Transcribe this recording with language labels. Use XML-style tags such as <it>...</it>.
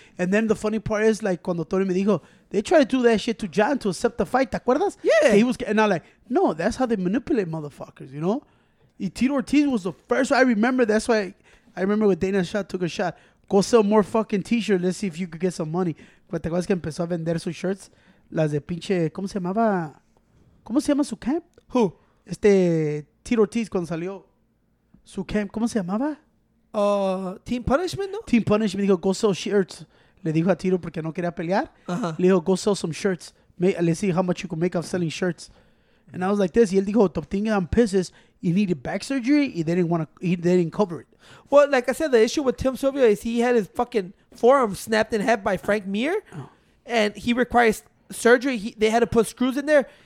<en>And then the funny part is, like,</en> <es>cuando Tony me dijo,</es> <en>they tried to do that shit to John to accept the fight,</en> <es>¿te acuerdas?</es> <en>Yeah. And he was, and I'm like, no, that's how they manipulate motherfuckers, you know? And Tito Ortiz was the first one. I remember, that's why I remember when Dana Shot took a shot. Go sell more fucking t-shirts. Let's see if you could get some money.</en> <es>¿Te acuerdas que empezó a vender sus shirts? Las de pinche... ¿Cómo se llamaba? ¿Cómo se llama su camp?</es> <en>Who?</en> <es>Este... Tito Ortiz cuando salió. Su camp. ¿Cómo se llamaba?</es> <en>Team Punishment, ¿no? Team Punishment.</en> <es>Dijo,</es> <en>go sell shirts.</en> <es>Le dijo a Tito porque no quería pelear. Le dijo,</es> <en>go sell some shirts. Let's see how much you can make off selling shirts. And I was like this.</en> <es>Y él dijo,</es> <en>the thing I'm pissed is you needed back surgery. Y they didn't cover it. Well, like I said, the issue with Tim Sylvia is he had his fucking forearm snapped in half by Frank Mir. And he requires surgery. They had to put screws in there.</en>